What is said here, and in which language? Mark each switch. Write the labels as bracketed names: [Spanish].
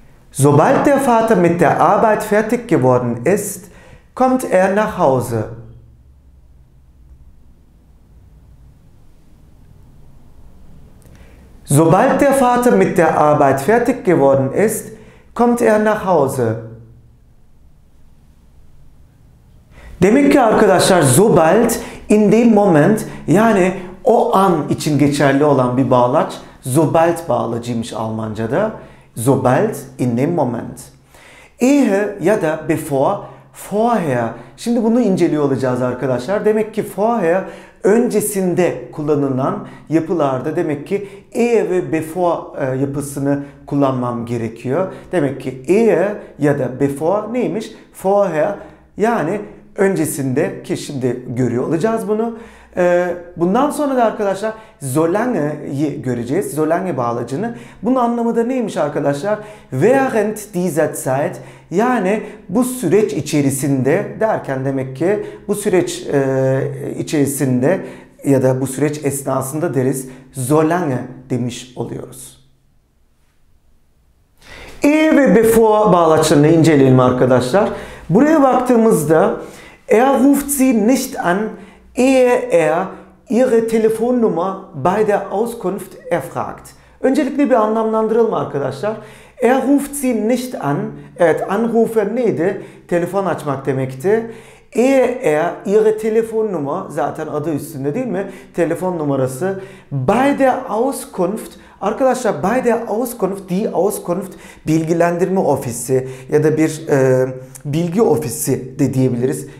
[German] Sobald der Vater mit der Arbeit fertig geworden ist, kommt er nach Hause. Sobald der Vater mit der Arbeit fertig geworden ist, kommt er nach Hause. [Turkish] Demek ki arkadaşlar [German] sobald in dem Moment, [Turkish] yani o an için geçerli olan bir bağlaç, sobald bağlacıymış Almanca'da. [German] Sobald in dem Moment. Ehe [Turkish] ya da [German] before, vorher. [Turkish] Şimdi bunu inceliyor olacağız arkadaşlar. Demek ki vorher öncesinde kullanılan yapılarda demek ki ehe ve before yapısını kullanmam gerekiyor. Demek ki ehe ya da before neymiş? Vorher, yani öncesinde, ki şimdi görüyor olacağız bunu. Bundan sonra da arkadaşlar Solange'yi göreceğiz. Solange bağlacını. Bunun anlamı da neymiş arkadaşlar? [German] Während dieser Zeit, [Turkish] yani bu süreç içerisinde derken demek ki bu süreç içerisinde ya da bu süreç esnasında deriz. Solange demiş oluyoruz. Ehe ve before bağlaçlarını inceleyelim arkadaşlar. Buraya baktığımızda [German] er ruft sie nicht an, ehe er ihre Telefonnummer bei der Auskunft erfragt. [Turkish] Öncelikle bir anlamlandıralım arkadaşlar. [German] Er ruft sie nicht an. [Turkish] Evet, anrufe neydi? Telefon açmak demekti. [German] Ehe er ihre Telefonnummer, [Turkish] zaten adı üstünde değil mi? Telefon numarası. [German] Bei der Auskunft. [Turkish] Arkadaşlar [German] bei der Auskunft, die Auskunft, [Turkish] bilgilendirme ofisi ya da bir bilgi ofisi de diyebiliriz.